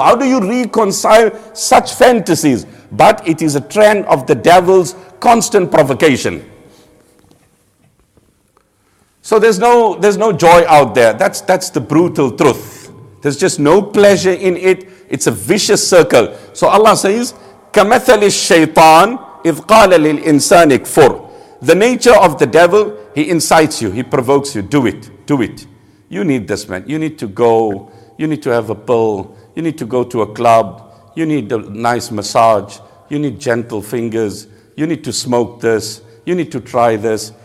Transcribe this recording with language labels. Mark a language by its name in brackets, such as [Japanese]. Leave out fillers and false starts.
[English] How do you reconcile such fantasies? But it is a trend of the devil's constant provocation. So there's no joy out there. That's the brutal truth. There's just no pleasure in it. It's a vicious circle. So Allah says, [Arabic] كَمَثَلِ الشَّيْطَانِ إِذْ قَالَ لِلْإِنسَانِ اكْفُرْ. [English] The nature of the devil, he incites you, he provokes you. Do it, do it. You need this, man. You need to go, you need to have a pill, you need to go to a club, you need a nice massage, you need gentle fingers, you need to smoke this, you need to try this.